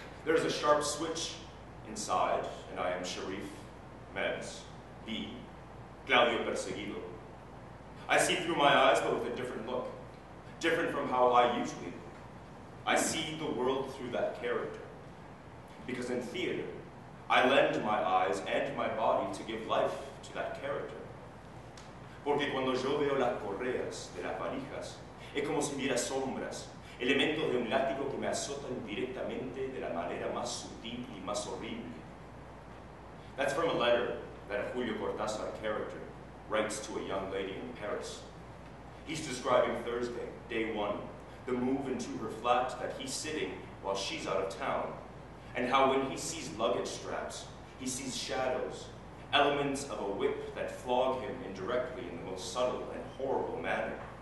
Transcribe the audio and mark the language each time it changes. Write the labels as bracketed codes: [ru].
[en] There is a sharp switch inside, and I am Sharif, Mez, B. Claudio Perseguido. I see through my eyes, but with a different look, different from how I usually look. I see the world through that character. Because in theater, I lend my eyes and my body to give life to that character. [es] Porque cuando yo veo las correas de las valijas, es como si viera sombras, elementos de un látigo que me azotan directamente de la manera más sutil y más horrible. [en] That's from a letter that a Julio Cortázar character writes to a young lady in Paris. He's describing Thursday, day one, the move into her flat that he's sitting while she's out of town, and how when he sees luggage straps, he sees shadows, elements of a whip that flog him indirectly in the most subtle and horrible manner.